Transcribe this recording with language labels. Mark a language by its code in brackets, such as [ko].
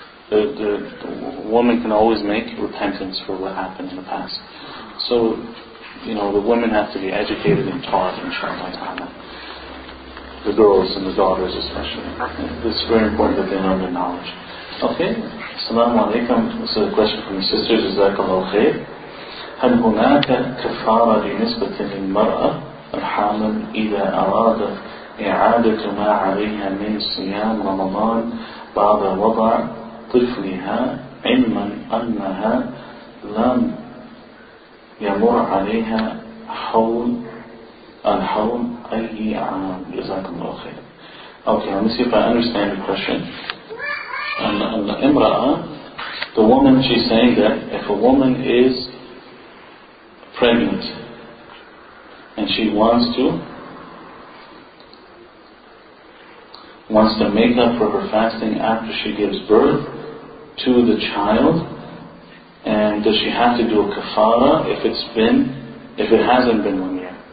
[en] The woman can always make repentance for what happened in the past. So, you know, the women have to be educated and taught, inshallah. The girls and the daughters especially. It's very important that they learn the knowledge. Okay. Assalamu alaikum. This is a question from the sisters. Jazakallahu khair. [ar] هل هناك كفارة بالنسبة للمرأة الحامل إذا أرادت إعادة ما عليها من صيام رمضان بعد وضع طفلها علما أنها لم يمر عليها حول الحول أي عام جزاكم الله خير. [en] Okay, let me see if I understand the question. [ar] الإمرأة, [en] the woman, she's saying that if a woman is pregnant and she wants to make up for her fasting after she gives birth to the child, and does she have to do a kafara if it hasn't been 1 year?